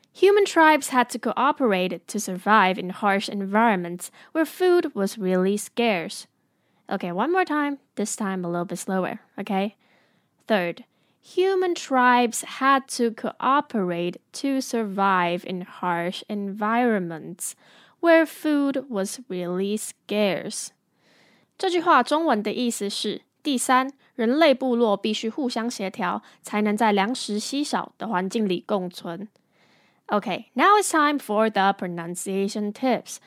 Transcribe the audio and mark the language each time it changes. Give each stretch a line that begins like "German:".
English: Human tribes had to cooperate to survive in harsh environments where food was really scarce. Okay, one more time, this time a little bit slower, okay? Third, human tribes had to cooperate to survive in harsh environments where food was really scarce.
Chinese: 这句话中文的意思是，第三，人类部落必须互相协调，才能在粮食稀少的环境里共存。
English: Okay, now it's time for the pronunciation tips.